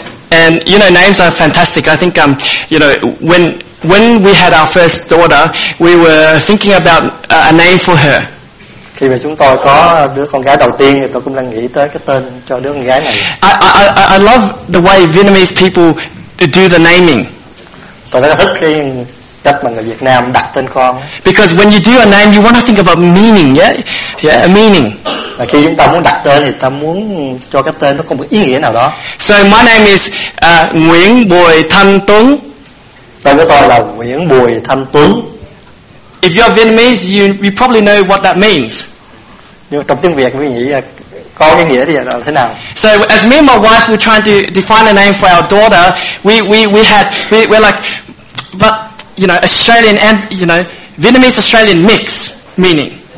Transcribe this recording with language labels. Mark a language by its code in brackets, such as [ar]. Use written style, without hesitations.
[en] And you know, names are fantastic. I think you know, when we had our first daughter, we were thinking about a name for her. [vi] Khi mà chúng tôi có đứa con gái đầu tiên thì tôi cũng đang nghĩ tới cái tên cho đứa con gái này. [en] I love the way Vietnamese people do the naming. [vi] Tôi rất là thích cái cách mà người Việt Nam đặt tên con. [en] Because when you do a name, you want to think about meaning, yeah? Yeah, a meaning. [vi] Và khi chúng ta muốn đặt tên thì ta muốn cho cái tên nó có một ý nghĩa nào đó. [en] So my name is Nguyễn Bùi Thanh Tuấn. [vi] Tên của tôi là Nguyễn Bùi Thanh Tuấn. [en] If you're Vietnamese, you probably know what that means. [vi] Nhưng trong tiếng Việt, quý nghĩ có cái nghĩa gì là thế nào? [en] So as me and my wife were trying to define a name for our daughter, we're like, but you know, Australian and you know, Vietnamese Australian mix meaning.